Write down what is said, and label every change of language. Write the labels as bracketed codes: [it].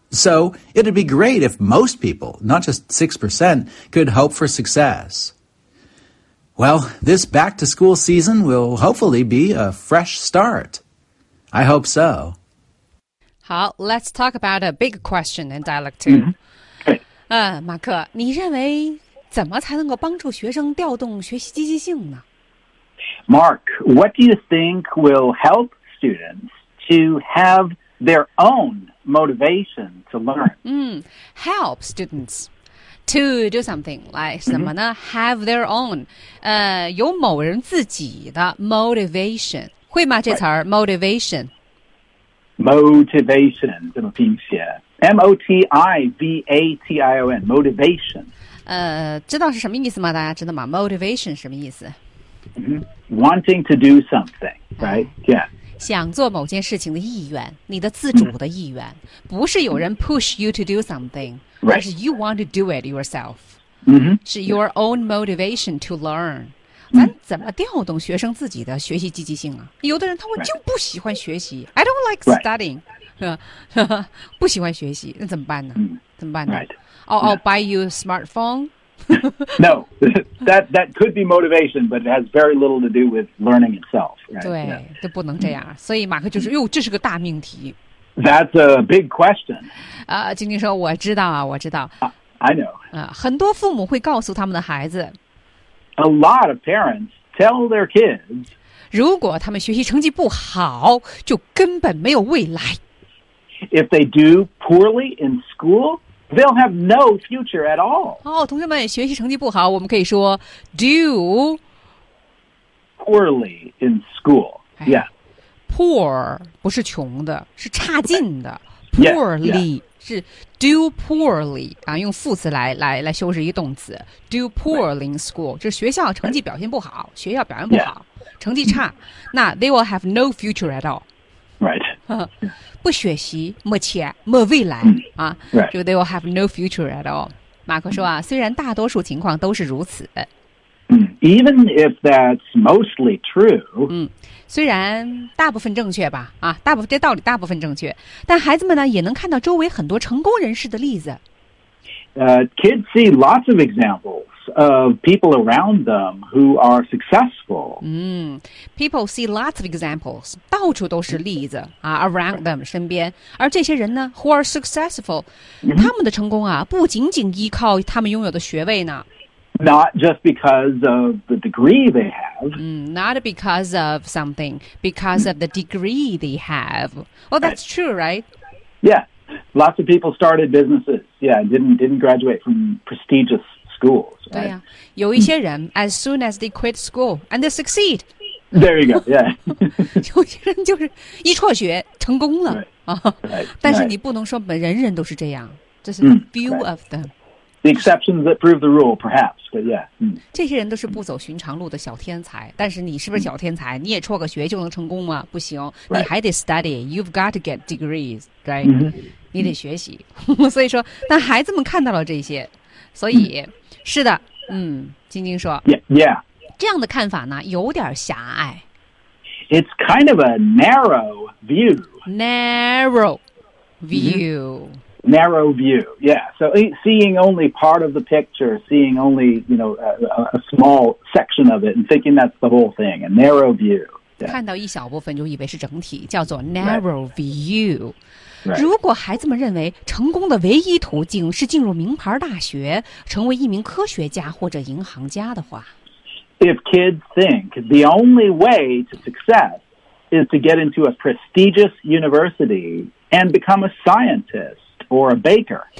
[en] So, it'd be great if most people, not just 6%, could hope for success. Well, this back-to-school season will hopefully be a fresh start. I hope so. 好, let's talk about a big question in Dialogue 2. [zh] 马克,你认为怎么才能够帮助学生调动学习积极性呢? [en] Mark, what do you think will help students to have their own motivation to learn? Help students to do something like [zh] 什么呢? [en] Have their own, [zh] 有某人自己的 [en] motivation. [zh] 会吗这词儿 motivation? [en] Motivation, [zh] 怎么拼写? [en] M-O-T-I-V-A-T-I-O-N, motivation. [zh] 知道是什么意思吗?大家知道吗? Motivation 什么意思? [en] Wanting to do something, right? Yeah. [zh] 想做某件事情的意愿，你的自主的意愿，不是有人 [en] push you to do something, right. 而是 you want to do it yourself. Mm-hmm. 是 your own motivation to learn. [zh] 咱怎么调动学生自己的学习积极性啊？有的人他会就不喜欢学习 ， [en] I don't like studying. [zh] 不喜欢学习，那怎么办呢？怎么办呢 [en] ？Right. I'll buy you a smartphone. No, that could be motivation, but it has very little to do with learning itself. Right? [zh] 对，都不能这样。所以马克就说，这是个大命题。 [en] That's a big question. [zh] 晶晶说，我知道啊，我知道。 [en] I know. [zh] 很多父母会告诉他们的孩子。 [en] A lot of parents tell their kids. [zh] 如果他们学习成绩不好，就根本没有未来。 [en] If they do poorly in school,They'll have no future at all. [zh] 同学们，学习成绩不好，我们可以说 do [en] poorly in school. Yeah, [zh] poor 不是穷的，是差劲的。Poorly 是 do poorly 啊，用副词来修饰一个动词 [en] do poorly in school， [zh] 就是学校成绩表现不好，学校表现不好， [en] yeah. [zh] 成绩差，那 [en] they will have no future at all， right？ [zh] 不学习，没钱，没未来啊， [en] right. 就 they will have no future at all。 [zh] 马克说啊，虽然大多数情况都是如此。 [en] Even if that's mostly true, [zh] 虽然大部分正确吧，啊，大部分这道理大部分正确，但孩子们呢也能看到周围很多成功人士的例子。 [en] Kids see lots of examples of people around them who are successful. People see lots of examples, [zh] 到处都是例子啊 ， [en] around them [zh] 身边，而这些人呢 ， [en] who are successful， [zh] 他们的成功啊，不仅仅依靠他们拥有的学位呢。 [en] Not just because of the degree they have. Not because of something, because of the degree they have. Well, that's true, right? Yeah. Lots of people started businesses. Yeah, didn't graduate from prestigious schools. Right? [zh] 对呀，有一些人 [en] as soon as they quit school, and they succeed. There you go, yeah. [zh] 有些人就是一辍学成功了。 [en] Right. 啊 right. [zh] 但是你不能说人人都是这样，这是 [en] few of them. The exceptions that prove the rule, perhaps, but yeah. [zh] 这些人都是不走寻常路的小天才，但是你是不是小天才？你也辍个学就能成功吗？不行，你还得 [en] study. You've got to get degrees, right? [zh] 你得学习。所以说，但孩子们看到了这些，所以是的，晶晶说， [en] yeah. [zh] 这样的看法呢，有点狭隘。 [en] It's kind of a narrow view. Narrow view. Narrow view, yeah. So seeing only part of the picture, seeing only, you know, a small section of it and thinking that's the whole thing, a narrow view.、Yeah. [zh] 看到一小部分就以为是整体，叫做 narrow view. [en] Right. [zh] 如果孩子们认为成功的唯一途径是进入名牌大学，成为一名科学家或者银行家的话。 [en] If kids think the only way to success is to get into a prestigious university and become a scientist,Or a baker.